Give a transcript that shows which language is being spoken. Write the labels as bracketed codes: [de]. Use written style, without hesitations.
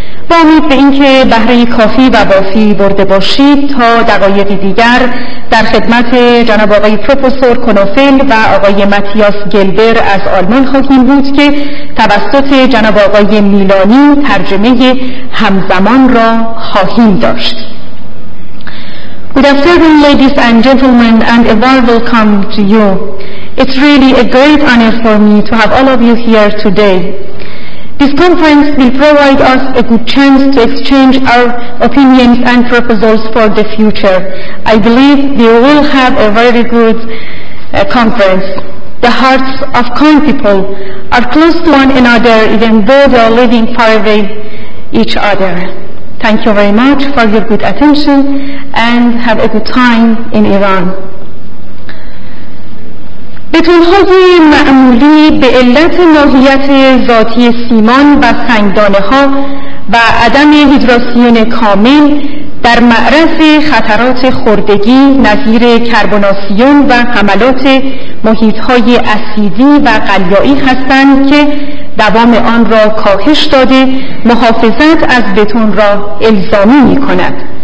[fa] با امید به اینکه بهره کافی و وافی برده باشید تا دقایقی دیگر در خدمت جناب آقای پروفسور کنوفل و آقای ماتیاس گلبر از آلمان خواهیم بود که توسط جناب آقای میلانی ترجمه همزمان را خواهیم داشت. [en] Good afternoon, ladies and gentlemen, and a warm welcome to you. It's really a great honor for me to have all of you here today. This conference will provide us a good chance to exchange our opinions and proposals for the future. I believe we will have a very good conference. The hearts of kind people are close to one another even though they are living far away each other. Thank you very much for your good attention and have a good time in Iran. [fa] بتون‌های معمولی به علت ماهیت ذاتی سیمان و سنگدانه‌ها و عدم هیدراسیون کامل در معرض خطرات خوردگی نظیر کربوناسیون و حملات محیط‌های اسیدی و قلیایی هستند که دوام آن را کاهش داده محافظت از بتون را الزامی می‌کند.